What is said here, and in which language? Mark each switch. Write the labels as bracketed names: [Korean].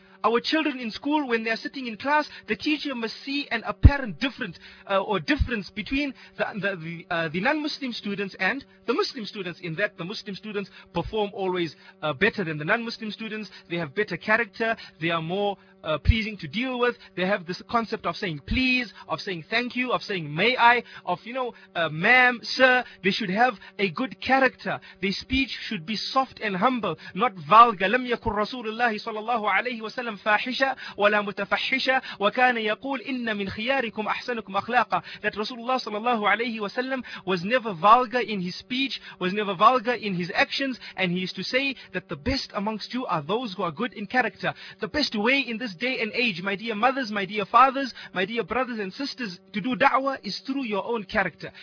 [English] our children in school, when they are sitting in class, the teacher must see an apparent difference between the non-Muslim students and the Muslim students, in that the Muslim students perform always better than the non-Muslim students. They have better character. They are more pleasing to deal with. They have this concept of saying please, of saying thank you, of saying may I, of, you know, ma'am, sir. They should have a good character. Their speech should be soft and humble, not vulgar. [Arabic] لم يكن رسول الله صلى الله عليه وسلم فاحشة ولا متفحشة وكان يقول إن من خياركم أحسنكم أخلاقا. [English] That Rasulullah صلى الله عليه وسلم was never vulgar in his speech, was never vulgar in his actions, and he used to say that the best amongst you are those who are good in character. The best way in this day and age, my dear mothers, my dear fathers, my dear brothers and sisters, to do da'wah is through your own character.